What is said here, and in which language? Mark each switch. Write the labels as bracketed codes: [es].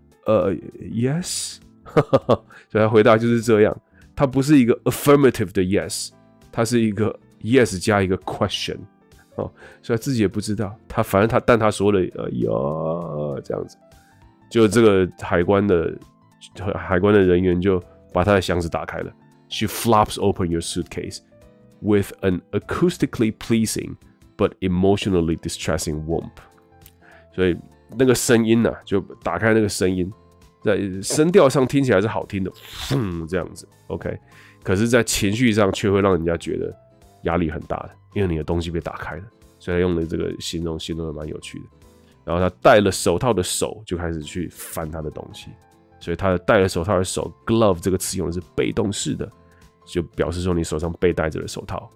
[zh] Yes， 所以他回答就是这样，他不是一个 affirmative 的 yes， 他是一个 yes 加一个 question。哦，所以他自己也不知道，他反正他但他说了这样子，就这个海关的人员就把他的箱子打开了。 [en] She flops open your suitcase with an acoustically pleasing but emotionally distressing whoomp。 [zh] 所以那个声音啊，就打开那个声音，在声调上听起来是好听的，哼，这样子 ，OK。可是，在情绪上却会让人家觉得压力很大的，因为你的东西被打开了。所以他用的这个形容的蛮有趣的。然后他戴了手套的手就开始去翻他的东西，所以他戴了手套的手 ，glove 这个词用的是被动式的，就表示说你手上被戴着的手套。